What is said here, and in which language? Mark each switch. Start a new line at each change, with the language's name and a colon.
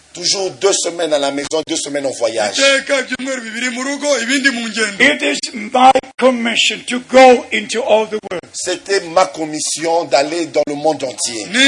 French: Toujours 2 semaines à la maison, 2 semaines en voyage.
English: It is my commission to go into all the world.
French: C'était ma commission d'aller dans le monde entier.